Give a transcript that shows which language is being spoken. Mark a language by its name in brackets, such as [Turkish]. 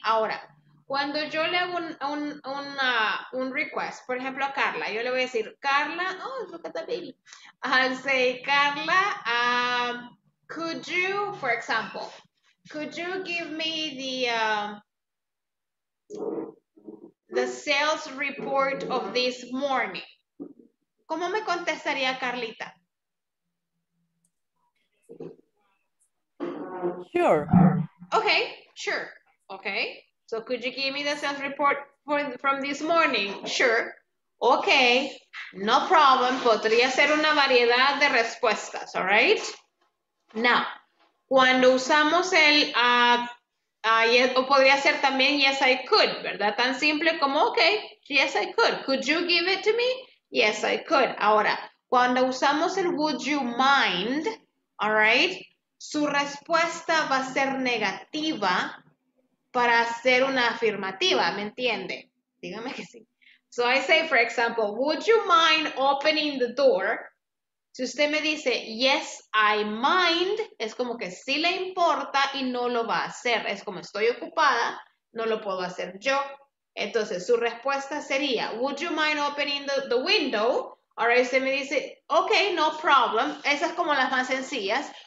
[Spanish] Ahora, cuando yo le hago un request, por ejemplo a Carla, yo le voy a decir, Carla, [English] oh, look at the baby, I'll say, Carla, could you, for example, could you give me the sales report of this morning? [Spanish] ¿Cómo me contestaría Carlita? [English] Sure. Okay, sure. Okay. So could you give me the sales report from this morning? Sure. Okay. No problem. [Spanish] Podría ser una variedad de respuestas, [English] all right? Now, [Spanish] cuando usamos el yes, o podría ser también [English] yes I could, [Spanish] ¿verdad? Tan simple como [English] okay, yes I could. Could you give it to me? Yes I could. [Spanish] Ahora, cuando usamos el [English] would you mind, all right? [Spanish] Su respuesta va a ser negativa para hacer una afirmativa, ¿me entiende? Dígame que sí. [English] So I say, for example, would you mind opening the door? [Spanish] Si usted me dice, [English] yes, I mind, [Spanish] es como que sí le importa y no lo va a hacer. Es como estoy ocupada, no lo puedo hacer yo. Entonces, su respuesta sería, [English] would you mind opening the window? [Spanish] Ahora usted me dice, [English] ok, no problem. [Spanish] Esas son como las más sencillas.